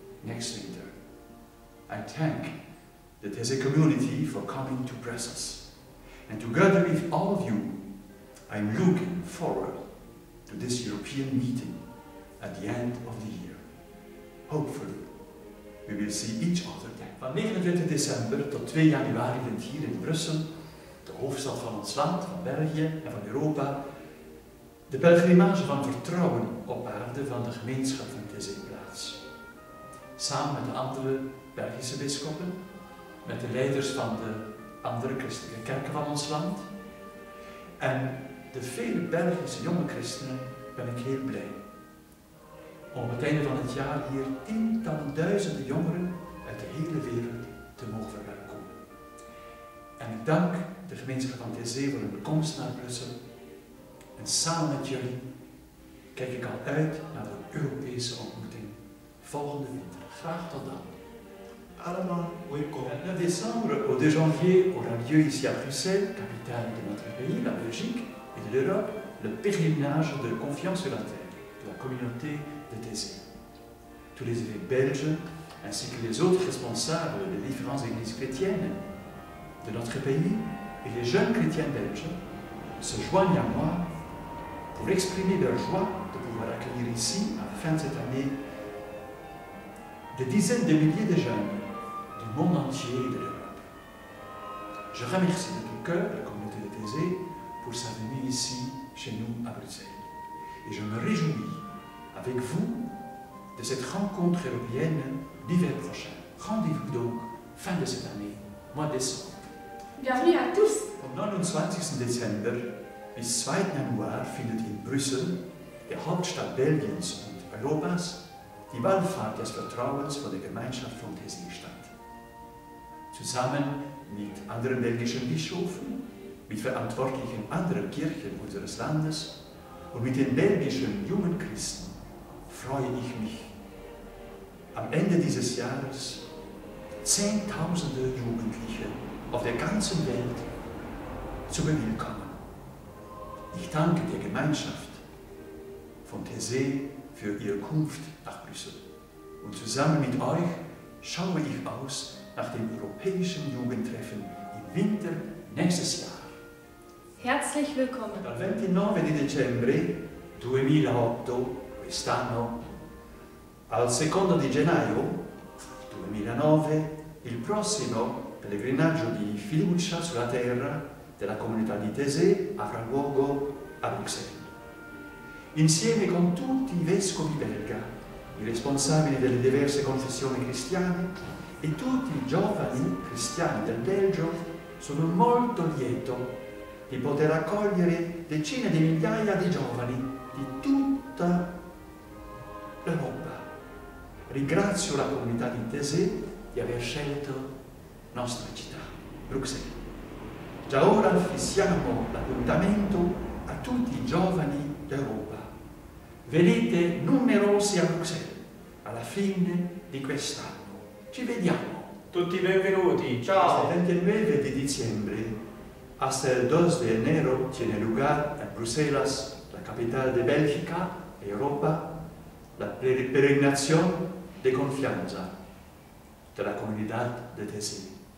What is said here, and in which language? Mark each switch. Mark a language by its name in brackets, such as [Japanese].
[English] Next winter, I thank the Taizé community for coming to Brussels. And together with all of you, I'm looking forward to this European meeting at the end of the year. Hopefully, we will see each other then. [Dutch] Van 29 december tot 2 januari vindt hier in Brussel, de hoofdstad van ons land, van België en van Europa, de pelgrimage van vertrouwen op aarde van de gemeenschap van Taizé plaats. Samen met de andere Belgische bisschoppen, met de leiders van de andere christelijke kerken van ons land en de vele Belgische jonge christenen ben ik heel blij om op het einde van het jaar hier tientallen duizenden jongeren uit de hele wereld te mogen verwelkomen. En ik dank de gemeenschap van Taizé voor hun komst naar Brussel en samen met jullie kijk ik al uit naar de Europese ontmoeting volgende winter. Graag tot dan. Allemaal welkom. [French] Le 9 décembre au 2 janvier aura lieu ici à Bruxelles, capitale de notre pays, la Belgique et de l'Europe, le pèlerinage de confiance sur la terre de la communauté de Taizé. Tous les évêques belges ainsi que les autres responsables des différentes églises chrétiennes de notre pays et les jeunes chrétiens belges se joignent à moi pour exprimer leur joie de pouvoir accueillir ici à la fin de cette année des dizaines de milliers de jeunes du monde entier et de l'Europe. Je remercie de tout cœur la communauté de Taizé pour sa venue ici, chez nous, à Bruxelles. Et je me réjouis avec vous de cette rencontre européenne l'hiver prochain. Rendez-vous donc fin de cette année, mois décembre. Bienvenue à tous. Le 29 décembre [German] bis 2 januar findet in Brüssel, la Hauptstadt Belgiens und Europas, die Wallfahrt des Vertrauens von der Gemeinschaft von Taizé statt. Zusammen mit anderen belgischen Bischofen, mit Verantwortlichen anderer Kirchen unseres Landes und mit den belgischen jungen Christen freue ich mich, am Ende dieses Jahres Zehntausende Jugendliche auf der ganzen Welt zu bewillkommen. Ich danke der Gemeinschaft von Taizé für ihre Kunft nach Brüssel. Und zusammen mit euch schaue ich aus nach dem europäischen Jugendtreffen im Winter nächstes Jahr. Herzlich willkommen. [Italian] Dal 29 di dicembre 2008, quest'anno, al 2 di gennaio 2009, il prossimo pellegrinaggio di fiducia sulla terra della comunità di Taizé avrà luogo a Bruxelles. Insieme con tutti i vescovi belga, i responsabili delle diverse confessioni cristiane e tutti i giovani cristiani del Belgio, sono molto lieto di poter accogliere decine di migliaia di giovani di tutta l'Europa. Ringrazio la comunità di Taizé di aver scelto nostra città, Bruxelles. Già ora fissiamo l'appuntamento a tutti i giovani d'Europa. Venite numerosi a Bruxelles alla fine di quest'anno. Ci vediamo. Tutti benvenuti. Ciao. Il 29 di dicembre, [Spanish] hasta el 2 de enero, tiene lugar en Bruselas, la capital de Bélgica, Europa, la peregrinación de confianza de la comunidad de Taizé.